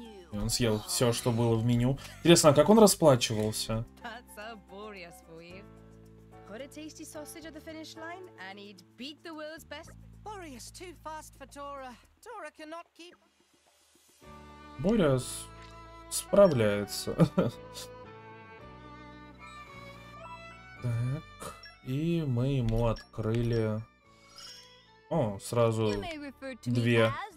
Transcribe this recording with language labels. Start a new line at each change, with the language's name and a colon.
Russian: И он съел все, что было в меню. Интересно, а как он расплачивался?
English: Put a tasty sausage at the finish line, and he'd beat the world's best. Boreas too fast for Tora. Tora cannot keep.
Russian: Boreas справляется. Так, и мы ему открыли. О, сразу две.